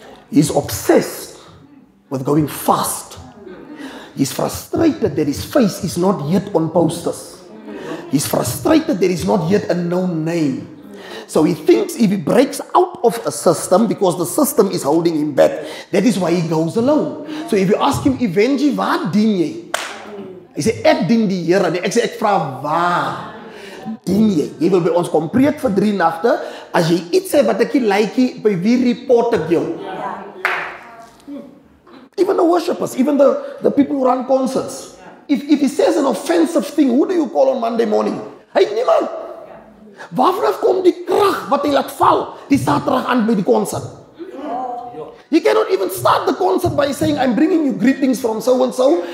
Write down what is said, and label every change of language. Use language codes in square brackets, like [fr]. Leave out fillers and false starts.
[en] He's obsessed with going fast. He's frustrated that his face is not yet on posters. He's frustrated that he's not yet a known name. So he thinks if he breaks out of a system, because the system is holding him back, that is why he goes alone. So if you ask him, Evangie, [af] waar dien jy? [en] He say, [af] ek dien die Here. Ek say, ek vra, waar dien jy? Jy wil by ons kom preek vir 3 nagte. As jy iets sê wat ek nie like, by wie report ek jou? [en] Even the worshippers, even the people who run concerts. If he says an offensive thing, who do you call on Monday morning? [af] Hey, niemand. Waarvanaf kom die krag wat hy laat val die Saterdag aan by die concert? [en] He cannot even start the concert by saying, I'm bringing you greetings from so and so.